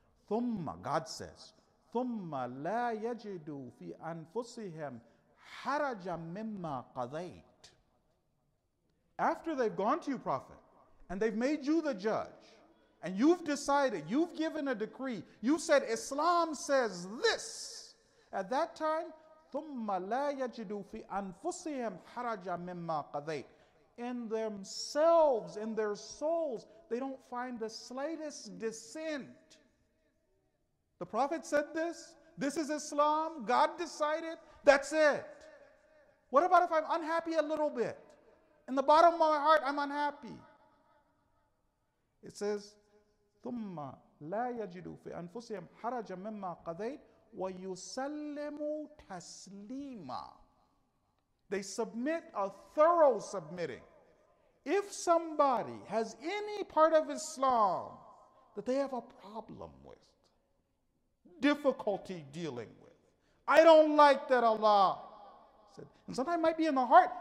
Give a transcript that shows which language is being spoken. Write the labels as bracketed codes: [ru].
[ar] Thumma, [en] God says, [ar] Thumma la yajidu fi anfusihim haraja mimma qadayt. [en] After they've gone to you, Prophet, and they've made you the judge, and you've decided, you've given a decree, you said, Islam says this. At that time, [ar] ثُمَّ لَا يَجِدُوا فِي أَنفُسِهِمْ حَرَجًا مِمَّا قَذَيْتَ. [en] In themselves, in their souls, they don't find the slightest dissent. The Prophet said this. This is Islam. God decided. That's it. What about if I'm unhappy a little bit? In the bottom of my heart, I'm unhappy. It says, [ar] ثُمَّ لَا يَجِدُوا فِي أَنفُسِهِمْ حَرَجًا مِمَّا قَذَيْتَ وَيُسَلِّمُوا تَسْلِيمًا. [en] They submit a thorough submitting. If somebody has any part of Islam that they have a problem with, difficulty dealing with, I don't like that Allah said, and sometimes it might be in the heart.